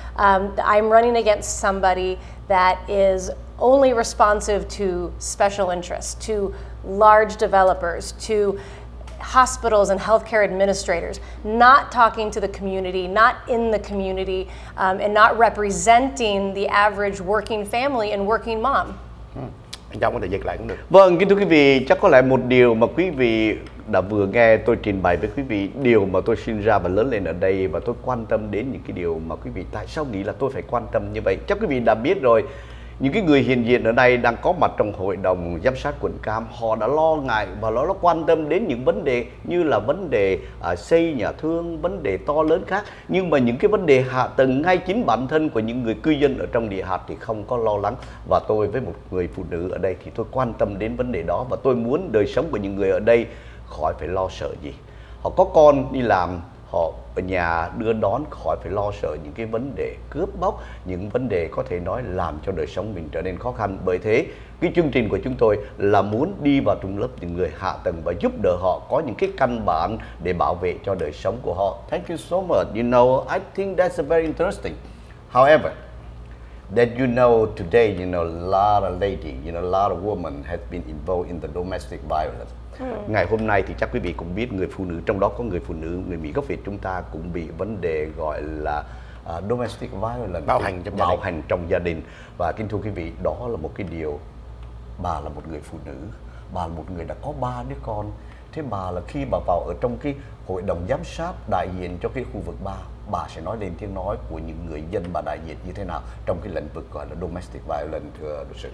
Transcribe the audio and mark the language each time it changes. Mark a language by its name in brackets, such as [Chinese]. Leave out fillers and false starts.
[English] I'm running against somebody that is only responsive to special interests, to large developers, to hospitals and healthcare administrators, not talking to the community, not in the community, and not representing the average working family and working mom. [Vietnamese] Giọng có thể dịch lại cũng được. Vâng, kính thưa quý vị, chắc có lẽ một điều mà quý vị đã vừa nghe tôi trình bày với quý vị, điều mà tôi sinh ra và lớn lên ở đây và tôi quan tâm đến những cái điều mà quý vị tại sao nghĩ là tôi phải quan tâm như vậy. Chắc quý vị đã biết rồi, những cái người hiện diện ở đây đang có mặt trong hội đồng giám sát quận Cam, họ đã lo ngại và nó quan tâm đến những vấn đề như là vấn đề xây nhà thương, vấn đề to lớn khác. Nhưng mà những cái vấn đề hạ tầng ngay chính bản thân của những người cư dân ở trong địa hạt thì không có lo lắng. Và tôi với một người phụ nữ ở đây thì tôi quan tâm đến vấn đề đó và tôi muốn đời sống của những người ở đây khỏi phải lo sợ gì. Họ có con đi làm, họ ở nhà đưa đón, khỏi phải lo sợ những cái vấn đề cướp bóc, những vấn đề có thể nói làm cho đời sống mình trở nên khó khăn. Bởi thế, cái chương trình của chúng tôi là muốn đi vào trung lớp những người hạ tầng và giúp đỡ họ có những cái căn bản để bảo vệ cho đời sống của họ. [English] Thank you so much. You know, I think that's very interesting. However, that today, a lot of ladies, a lot of women have been involved in the domestic violence. [Vietnamese] Ngày hôm nay thì chắc quý vị cũng biết người phụ nữ, trong đó có người phụ nữ người Mỹ gốc Việt chúng ta cũng bị vấn đề gọi là domestic violence, bạo hành trong gia đình. Và kính thưa quý vị, đó là một cái điều, bà là một người phụ nữ, bà là một người đã có ba đứa con, thế bà là khi bà vào ở trong cái hội đồng giám sát đại diện cho cái khu vực ba, bà sẽ nói lên tiếng nói của những người dân bà đại diện như thế nào trong cái lĩnh vực gọi là domestic violence, thưa luật sư?